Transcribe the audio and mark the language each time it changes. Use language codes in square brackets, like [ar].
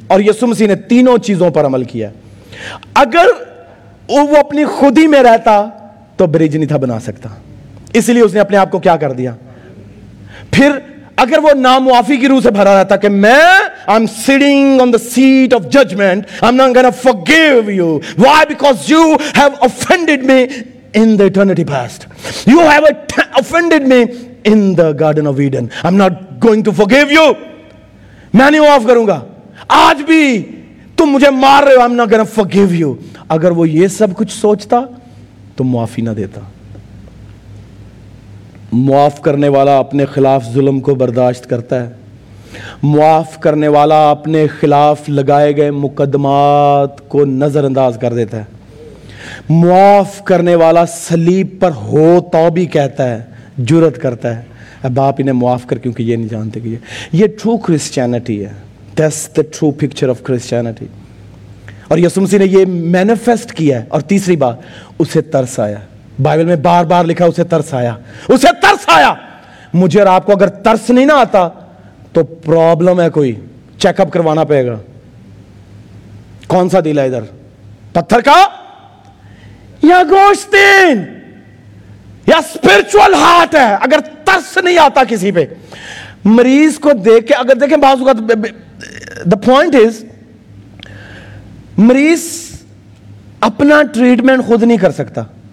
[ur] اور یسوع مسیح نے تینوں چیزوں پر عمل کیا. اگر وہ اپنی خودی میں رہتا تو بریج نہیں تھا بنا سکتا, اس لیے اس نے اپنے آپ کو کیا کر دیا, پھر اگر وہ نامعافی کی روح سے بھرا رہا تھا کہ میں [en] I'm sitting on the seat of judgment, I'm not gonna forgive you. Why? Because you have offended me in the eternity past. You have offended me in the Garden of Eden. I'm not going to forgive you. [ur] میں نہیں معاف کروں گا. آج بھی تم مجھے مار رہے ہو. [en] I'm not gonna forgive you. [ur] اگر وہ یہ سب کچھ سوچتا تو معافی نہ دیتا. معاف کرنے والا اپنے خلاف ظلم کو برداشت کرتا ہے. معاف کرنے والا اپنے خلاف لگائے گئے مقدمات کو نظر انداز کر دیتا ہے. معاف کرنے والا صلیب پر ہو تو بھی کہتا ہے, جرت کرتا ہے, اے باپ انہیں معاف کر کیونکہ یہ نہیں جانتے کہ یہ ٹرو کرسچینٹی ہے. [en] That's the true picture of Christianity. [ur] اور یسوع مسیح نے یہ مینیفیسٹ کیا ہے. اور تیسری بات, اسے ترس آیا. بائبل میں بار بار لکھا اسے ترس آیا, اسے ترس آیا. مجھے اور آپ کو اگر ترس نہیں نہ آتا تو پرابلم ہے, کوئی چیک اپ کروانا پڑے گا. کون سا دل ہے ادھر, پتھر کا یا گوشتین یا اسپرچل ہارٹ ہے؟ اگر ترس نہیں آتا کسی پہ, مریض کو دیکھ کے, اگر دیکھیں بعض وقت [en] the point is [ur] مریض اپنا ٹریٹمنٹ خود نہیں کر سکتا.